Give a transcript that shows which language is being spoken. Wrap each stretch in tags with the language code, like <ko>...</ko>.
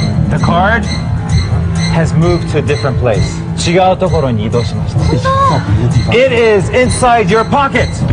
<en>？The card has moved to a different place.</en> <ja>違うところに移動しました。</ja> <en>It is inside your pocket.</en>